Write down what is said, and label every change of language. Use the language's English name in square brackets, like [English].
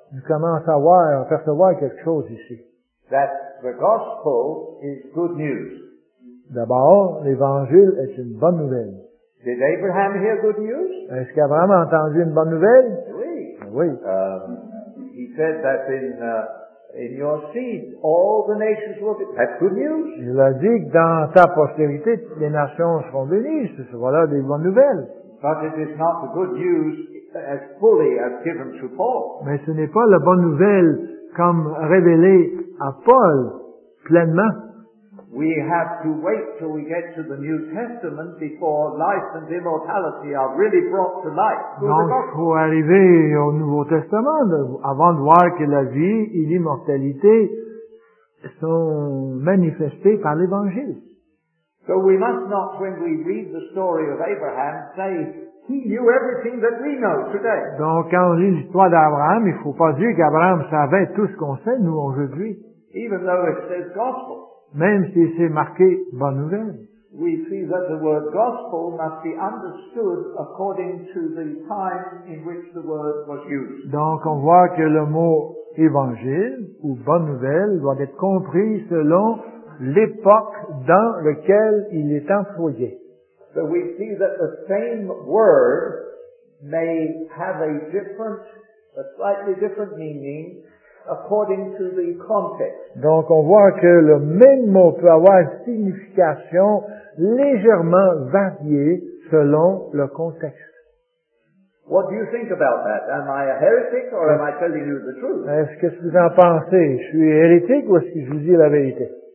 [French] Nous commençons à voir, à percevoir quelque chose ici. [English] That the gospel is good news. [French] D'abord, l'évangile est une bonne nouvelle. [English] Did Abraham hear good news? [French] Est-ce qu'Abraham a entendu une bonne nouvelle? Oui. Oui. [English] He said that in your seed, all the nations will be. That's good news. [French] Il a dit que dans ta postérité, les nations seront bénies. Ce sont là des bonnes nouvelles. [English] But it is not the good news as fully as given to Paul. [French] Mais ce n'est pas la bonne nouvelle comme révélée à Paul pleinement. [English] We have to wait till we get to the New Testament before life and immortality are really brought to life. [French] Donc, il faut arriver au Nouveau Testament avant de voir que la vie et l'immortalité sont manifestées par l'Évangile. [English] So we must not, when we read the story of Abraham, say he knew everything that we know today. [French] Donc, quand on lit l'histoire d'Abraham, il ne faut pas dire qu'Abraham savait tout ce qu'on sait, nous, aujourd'hui. [English] Even though it says gospel. [French] Même si c'est marqué bonne nouvelle. [English] We see that the word gospel must be understood according to the time in which the word was used. [French] Donc, on voit que le mot évangile ou bonne nouvelle doit être compris selon l'époque dans laquelle il est employé. [English] So we see that the same word may have a different, a slightly different meaning according to the context. [French] Donc on voit que le même mot peut avoir une signification légèrement variée selon le contexte. [English] What do you think about that? Am I a heretic or am I telling you the truth? [French] Est-ce que vous en pensez? Je suis hérétique ou est-ce que je vous dis la vérité?